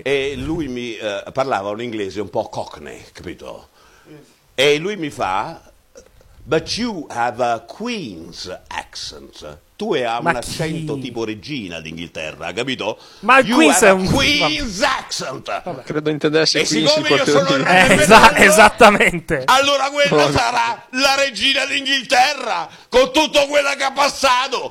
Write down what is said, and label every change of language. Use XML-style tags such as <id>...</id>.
<it>E lui mi parlava un inglese un po' cockney, capito? E lui mi fa,</it> <en>but you have a Queen's accent.</en> <it>Tu hai un accento tipo regina d'Inghilterra, capito? Ma</it> <en>you Queens have</en> <it>un...</it> <en>Queen's accent!</en> <it>Vabbè. Credo intendessi Queen's accent. E siccome io sono il esattamente! Allora quella sarà la regina d'Inghilterra, con tutto quello che ha passato,</it>